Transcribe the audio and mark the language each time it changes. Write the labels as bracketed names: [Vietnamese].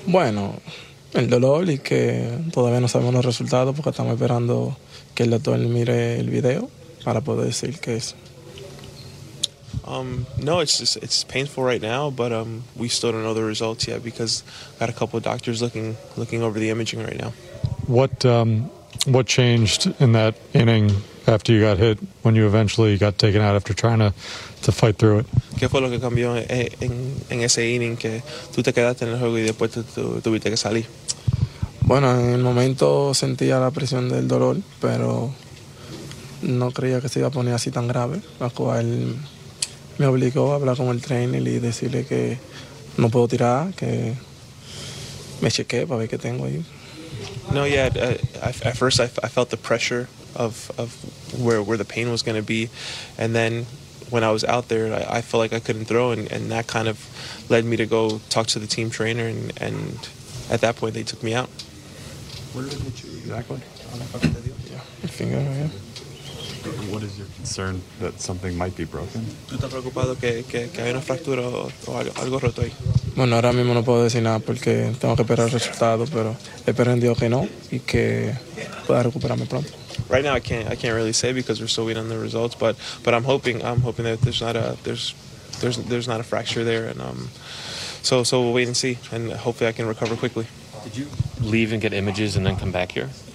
[Spanish] Bueno, el dolor y que todavía no sabemos los resultados porque estamos esperando que el doctor mire el video para poder decir qué es. [English] No, it's painful right now, but we still don't know the results yet because I've got a couple of doctors looking over the imaging right now. What changed in that inning after you got hit when you eventually got taken out after trying to fight through it? [Spanish] ¿Qué fue lo que cambió en ese inning que tú te quedaste en el juego y después tuviste que salir? Bueno, en el momento sentía la presión del dolor, pero no creía que se iba a poner así tan grave, la cual me obligó a hablar con el trainer y decirle que no puedo tirar, que me chequeé para ver qué tengo ahí. [English] No, yeah, at first I felt the pressure of where the pain was going to be, and then when I was out there, I felt like I couldn't throw, and that kind of led me to go talk to the team trainer, and at that point they took me out. Where did it hit you exactly? Yeah, my finger right here. What is your concern that something might be broken? [Spanish] ¿Tú estás preocupado que hay una fractura o algo roto ahí? Bueno, ahora mismo no puedo decir nada porque tengo que esperar el resultado, pero espero en Dios que no y que pueda recuperarme pronto. [English] Right now I can't really say because we're still waiting on the results, but I'm hoping that there's not a fracture there, and so we'll wait and see, and hopefully I can recover quickly. Did you leave and get images and then come back here?